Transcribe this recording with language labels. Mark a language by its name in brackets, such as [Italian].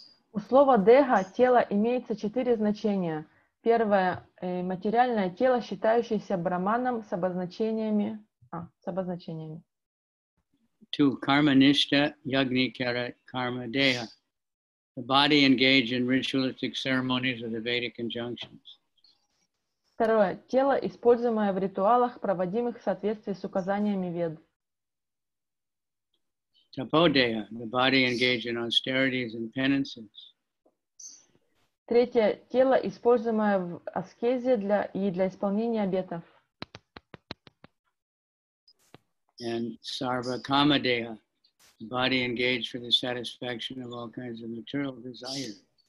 [Russian] У слова деха, тело, имеется 4 значения. Первое, материальное тело, считающееся браманом с обозначениями. [English] Two, karmanishta yagnikara karma deha, the body engaged in ritualistic ceremonies of the Vedic injunctions. [Russian] Второе, тело, используемое в ритуалах, проводимых в соответствии с указаниями Вед. [English] Tapodeha, the body engaged in austerities and penances. [Russian] Третье, тело, используемое в аскезе для исполнения обетов. [English] And sarva kama deha, body engaged for the satisfaction of all kinds of material desires.